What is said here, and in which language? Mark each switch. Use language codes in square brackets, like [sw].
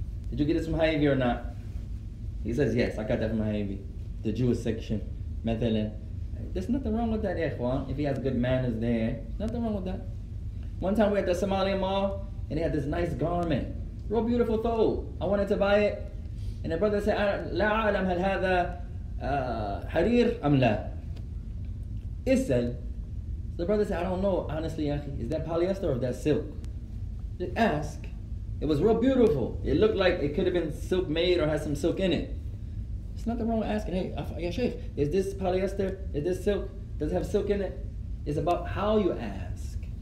[en] Did you get this from Hy-Vee or not? He says, yes, I got that from Hy-Vee. The Jewish section, methylene. There's nothing wrong with that, Ikhwan. If he has good manners there, nothing wrong with that. One time we had the Somali mall, and he had this nice garment. Real beautiful though. I wanted to buy it. And the brother said, [ar] لا أعلم هل هذا حرير أم لا. إسأل. [en] So the brother said, I don't know, honestly, yaki. Is that polyester or that silk? Just ask. It was real beautiful. It looked like it could have been silk made or had some silk in it. It's nothing wrong with asking, hey, yeah, Sheikh, is this polyester? Is this silk? Does it have silk in it? It's about how you ask.